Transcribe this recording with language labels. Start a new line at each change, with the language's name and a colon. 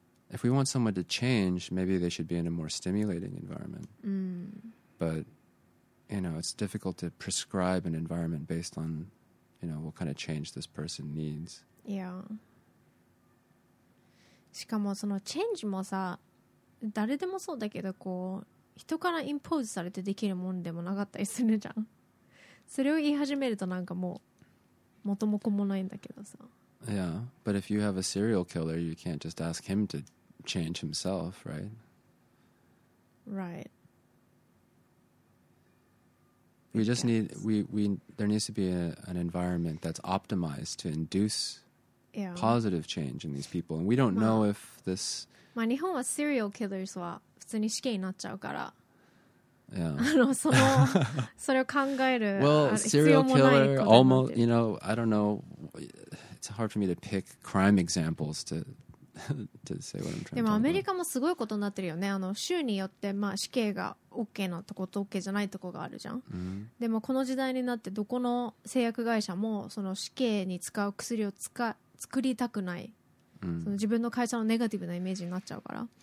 English: If we want someone to change, maybe they should be in a more stimulating environment. Mm. But, you know, it's difficult to prescribe an environment based on, you know, what kind of change this person needs. Yeah.
Japanese: しかもそのチェンジもさ、誰でもそうだけどこう、人からインポーズされてできるもんでもなかったりするじゃん。それを言い始めるとなんかもう、元も子もないんだけどさ。
English: Yeah, but if you have a serial killer, you can't just ask him to change himself, right? Right. We just need, there needs to be an environment that's optimized to induce yeah. positive change in these people. And we don't know if this...
Japanese: まあ日本は
English: serial killers
Japanese: は普通に死刑になっちゃうから。
English: Yeah.
Japanese: それを考える必要もない。
English: Well, serial killer, almost, you know, I don't know... It's hard for me to pick crime examples to say what I'm trying to say.
Japanese: でもアメリカもすごいことになってるよね。あの州によってまあ死刑が OK なとこと OK じゃないとこがあるじゃん。 Mm-hmm. でもこの時代になってどこの製薬会社もその死刑に使う薬を作りたくない。 Mm-hmm. その自分の会社のネガティブなイメージになっちゃうから。